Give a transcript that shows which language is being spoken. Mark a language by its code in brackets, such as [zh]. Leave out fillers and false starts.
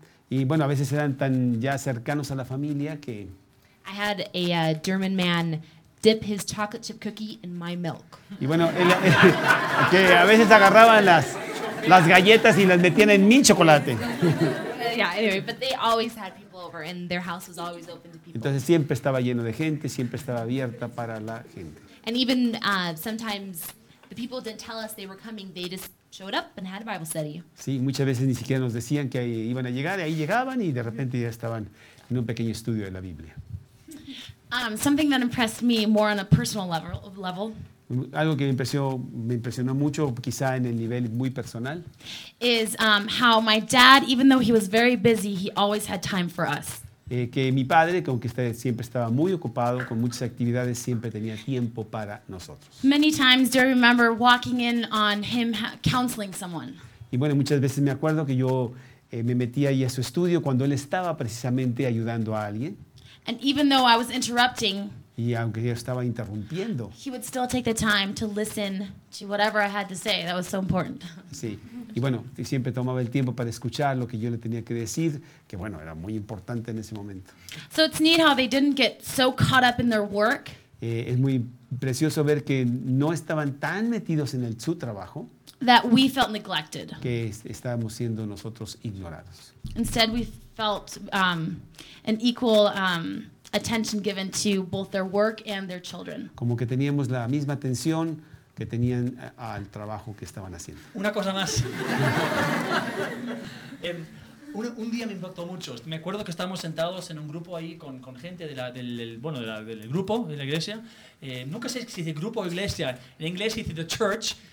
[es] Y bueno, a veces eran tan ya cercanos a la familia que. [en] I had a German man dip his chocolate chip cookie in my milk. [es] Y bueno, que a veces agarraban las galletas y las metían en mi chocolate. [en] Yeah, anyway, but they always had people over and their house was always open to people. [es] Entonces siempre estaba lleno de gente, siempre estaba abierta para la gente. [en] And even sometimes the people didn't tell us they were coming, they just showed up and had a Bible study. [es] Sí, muchas veces ni siquiera nos decían que iban a llegar, y ahí llegaban y de repente ya estaban en un pequeño estudio de la Biblia. [en] Something that impressed me more on a personal level. [es] Algo que me impresionó mucho, quizá en el nivel muy personal. [en] Is how my dad, even though he was very busy, he always had time for us. [es] Que mi padre, aunque siempre estaba muy ocupado con muchas actividades, siempre tenía tiempo para nosotros. [en] Many times do I remember walking in on him counseling someone. [es] Y bueno, muchas veces me acuerdo que yo me metía ahí a su estudio cuando él estaba precisamente ayudando a alguien. [en] And even though I was interrupting, [es] y aunque yo estaba interrumpiendo, [en] he would still take the time to listen to whatever I had to say. That was so important. [es] Sí. Y bueno, siempre tomaba el tiempo para escuchar lo que yo le tenía que decir, que bueno, era muy importante en ese momento. [en] So it's neat how they didn't get so caught up in their work. [es] Es muy precioso ver que no estaban tan metidos en su trabajo. [en] That we felt neglected. [es] Que estábamos siendo nosotros ignorados. [en] Instead, we felt an equal attention given to both their work and their children. [es] Como que teníamos la misma atención que tenían al trabajo que estaban haciendo. Una cosa más. un día me impactó mucho. Me acuerdo que estábamos sentados en un grupo ahí con gente del grupo de la iglesia. Nunca sé si dice grupo o iglesia. En inglés dice [en] the church.